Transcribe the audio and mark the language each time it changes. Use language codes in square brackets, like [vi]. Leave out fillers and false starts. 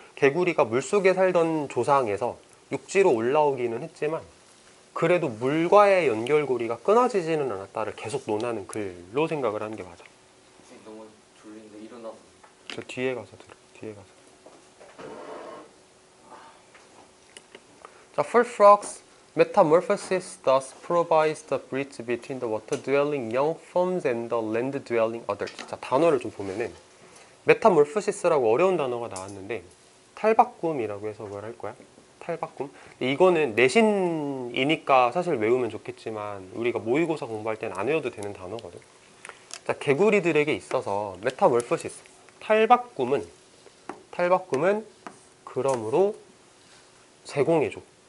[ko] 개구리가 물속에 살던 조상에서 육지로 올라오기는 했지만, 그래도 물과의 연결고리가 끊어지지는 않았다를 계속 논하는 글로 생각을 하는 게 맞아. 지금 너무 졸린데 일어나서. 저 뒤에 가서 들어, 뒤에 가서. 자, Full Frogs. [en] Metamorphosis thus provides the bridge between the water-dwelling young forms and the land-dwelling others. [ko] 자, 단어를 좀 보면은 메타몰프시스라고 어려운 단어가 나왔는데 탈바꿈이라고 해석을 할 거야. 탈바꿈. 이거는 내신이니까 사실 외우면 좋겠지만 우리가 모의고사 공부할 땐안 외워도 되는 단어거든. 자, 개구리들에게 있어서 메타몰프시스, 탈바꿈은 그러므로 제공해줘.